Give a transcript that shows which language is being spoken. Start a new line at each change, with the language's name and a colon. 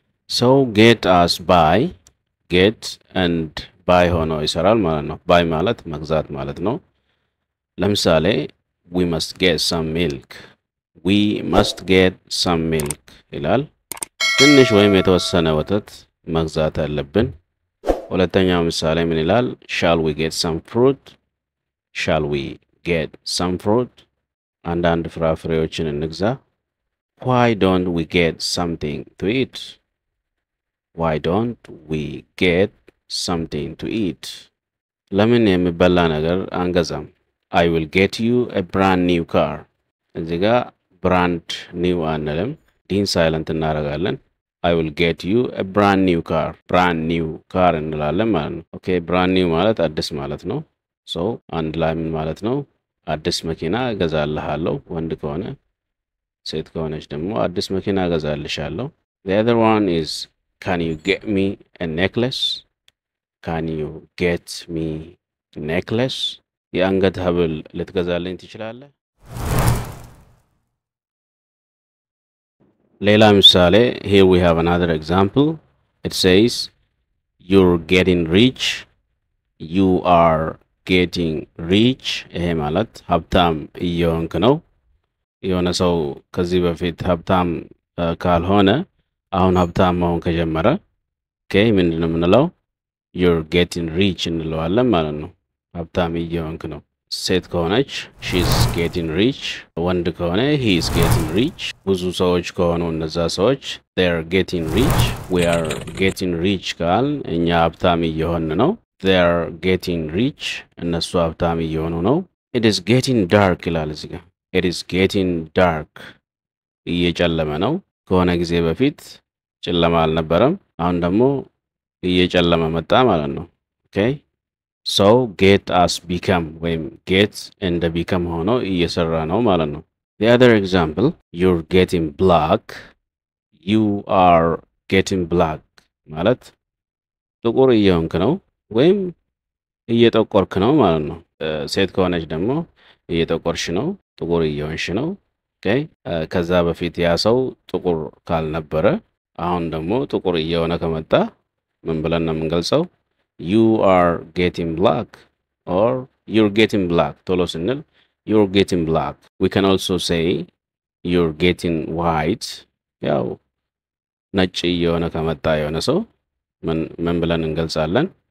English: So get us by get and buy
Amharic: ሆኖ ይሰራል ማለት ነው።
English: buy
Amharic: ማለት መግዛት ማለት ነው። ለምሳሌ
English: we must get some milk. we must get some milk
Amharic: ይላል። ትንሽ ወይም የተወሰነ ወተት መግዛት አለብን። ሁለተኛው ምሳሌ ምን ይላል?
English: shall we get some fruit? shall we get some fruit?
Amharic: አንዳንድ ፍራፍሬዎችን እንግዛ።
English: why don't we get something to eat? why don't we get something to eat?
Amharic: ለምን የሚበላ ነገር አንገዛም?
English: i will get you a brand new car.
Amharic: እዚህ ጋር brand new አንልም ዲን ሳይለንት እናረጋለን።
English: i will get you a brand new car. brand new car
Amharic: እንላለን ማለት ነው። okay brand new ማለት አዲስ ማለት ነው። so አንድ ላይ ምን ማለት ነው? አዲስ መኪና እገዛልሃለሁ ወንድ ከሆነ ሴት ከሆነች ደግሞ አዲስ መኪና እገዛልሻለሁ።
English: the other one is can you get me a necklace? can you get me a necklace?
Amharic: የአንገት ሀብል ልትገዛልኝ ትችላለህ? ሌላ ምሳሌ
English: here we have another example. it says you're getting rich. you are getting rich.
Amharic: ይሄ ማለት ሀብታም እየሆንክ ነው። የሆነ ሰው ከዚህ በፊት ሀብታም ካልሆነ አሁን ሀብታም መሆን ከጀመረ ኦኬ ምንድን ነው የምንለው?
English: you're getting rich
Amharic: እንለዋለን ማለት ነው። ሀብታም እየሆንክ ነው። ሴት ከሆነች
English: she is getting rich.
Amharic: ወንድ ከሆነ
English: he is getting rich.
Amharic: ብዙ ሰዎች ከሆኑ እነዛ ሰዎች
English: they are getting rich. we are getting rich
Amharic: ካል እኛ ሀብታም እየሆን ነው።
English: they are getting rich
Amharic: እነሱ ሀብታም እየሆኑ ነው።
English: it is getting dark
Amharic: ይላል እዚህ ጋር። it is getting dark እየጨለመ ነው። ከሆነ ጊዜ በፊት ጨለማ አልነበረም አሁን ደግሞ እየጨለመ መጣ ማለት ነው። ኦኬ
English: so get us become when get and become
Amharic: ሆኖ እየሰራ ነው ማለት ነው።
English: the other example you're getting black. you are getting black
Amharic: ማለት ጥቁር እየሆንክ ነው ወይም እየጠቆርክ ነው ማለት ነው። ሴት ከሆነች ደግሞ እየጠቆርሽ ነው ጥቁር እየሆንሽ ነው። ኦኬ ከዛ በፊት ያ ሰው ጥቁር ካልነበረ አሁን ደግሞ ጥቁር እየሆነ ከመጣ ምን ብለን ነው የምንገልጸው?
English: you are getting black or you're getting black.
Amharic: ቶሎ ስንል
English: you're getting black. we can also say you're getting white.
Amharic: ያው ነጭ እየሆነ ከመጣ የሆነ ሰው ምን ብለን እንገልጻለን?